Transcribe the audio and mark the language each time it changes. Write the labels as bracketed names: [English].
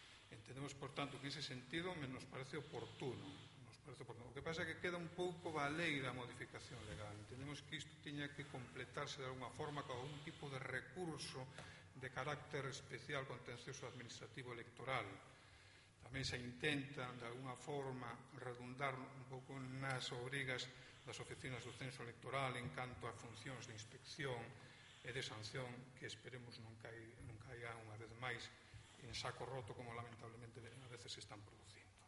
[Spanish] Entendemos, por tanto, que en ese sentido nos parece oportuno. [Galician] O que pasa é que queda un pouco baleira a modificación legal. Entendemos que isto tiña que completarse de alguna forma con algún tipo de recurso de carácter especial contencioso administrativo electoral. Tamén se intenta, de alguna forma, redundar un pouco nas obrigas das oficinas do censo electoral en canto a funcións de inspección e de sanción, que esperemos non caiga unha vez máis en saco roto, como lamentablemente a veces se están producindo.